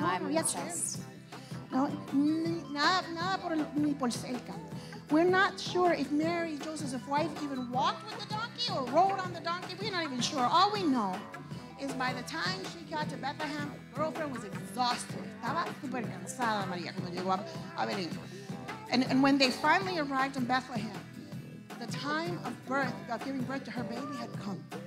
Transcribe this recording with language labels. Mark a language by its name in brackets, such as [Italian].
[English] No, I'm no, no, [Spanish] nada por el, ni por cerca. [English] We're not sure if Mary, Joseph's wife, even walked with the donkey or rode on the donkey. We're not even sure. All we know is by the time she got to Bethlehem, her girlfriend was exhausted. [Spanish] Estaba super cansada, María, cuando llegó a Belén. [English] And when they finally arrived in Bethlehem, the time of birth, of giving birth to her baby, had come.